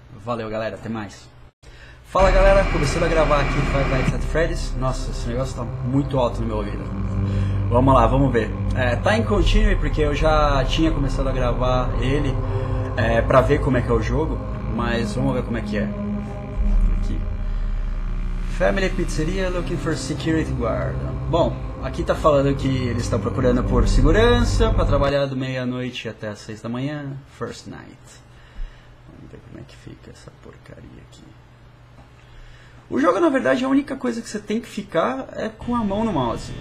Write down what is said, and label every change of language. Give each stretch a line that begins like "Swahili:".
Portuguese: Valeu galera, até mais. Fala galera, começando a gravar aqui o Five Nights at Freddy's. Nossa, esse negócio tá muito alto no meu ouvido. Vamos lá, vamos ver. Tá em continue porque eu já tinha começado a gravar ele pra ver como é que é o jogo, mas vamos ver como é que é.
English: Family Pizzeria looking for security guard.
Portuguese: Bom, aqui tá falando que eles estão procurando por segurança para trabalhar do meia-noite até as 6 da manhã.
English: First night.
Portuguese: Vamos ver como é que fica essa porcaria aqui. O jogo, na verdade, a única coisa que você tem que ficar é com a mão no mouse.